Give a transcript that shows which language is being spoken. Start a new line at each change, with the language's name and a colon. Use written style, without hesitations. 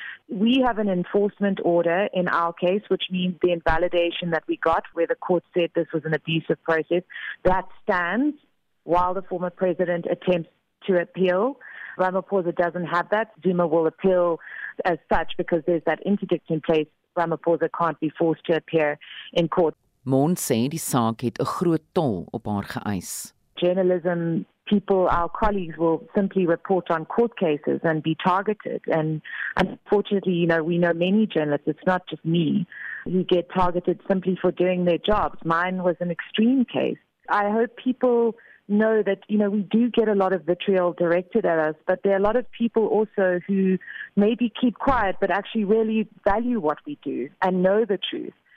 English: We have an enforcement order in our case, which means the invalidation that we got, where the court said this was an abusive process, that stands while the former president attempts to appeal. Ramaphosa doesn't have that. Zuma will appeal as such because there's that interdict in place. Ramaphosa can't be forced to appear in court.
Afrikaans: Moon sê die saak het 'n groot tol op haar geëis.
English: Journalism people, our colleagues, will simply report on court cases and be targeted. And unfortunately, you know, we know many journalists, it's not just me, who get targeted simply for doing their jobs. Mine was an extreme case. I hope people know that, you know, we do get a lot of vitriol directed at us, but there are a lot of people also who maybe keep quiet but actually really value what we do and know the truth.